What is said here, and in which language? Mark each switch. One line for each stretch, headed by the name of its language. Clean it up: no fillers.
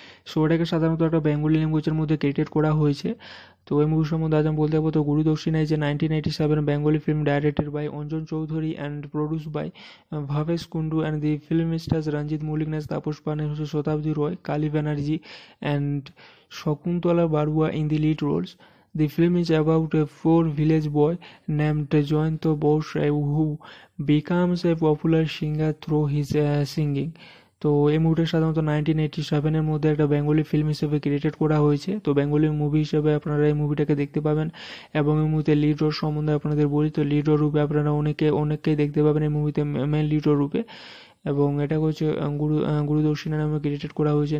Bangla: So এটাকে সাধারণত একটা বেঙ্গলি ল্যাঙ্গুয়েজের মধ্যে ক্রিয়েটেড করা হয়েছে। তো এই মুভি সম্বন্ধে আজ আমি বলতে যাবো, তো গুরু দক্ষিণা যে 1987 Bengali film,
English: Directed by Anjan Chowdhury and produce by Bhabesh Kundu, and the film stars Ranjit Mallick, নেস তাপস পাল, নেস Satabdi Roy, Kali Banerjee and Sakuntala Barua in the lead roles. The film is about a poor village boy named Jayanta Bose who becomes a popular singer through his singing.
Bangla: তো এই মুভিটা সাধারণত 1987 মধ্যে একটা Bengali film হিসেবে created করা হয়েছে। তো বেঙ্গলি মুভি হিসেবে আপনারা এই মুভিটাকে দেখতে পাবেন। এবং এই মুভিতে লিড রোল সম্বন্ধে আপনাদের বলি, তো লিড রোল রূপে আপনারা অনেককেই দেখতে পাবেন এই মুভিতে মেন লিড রোল রূপে। এবং এটাকে হচ্ছে গুরু দক্ষিণা নামে ক্রিয়েটেড করা হয়েছে।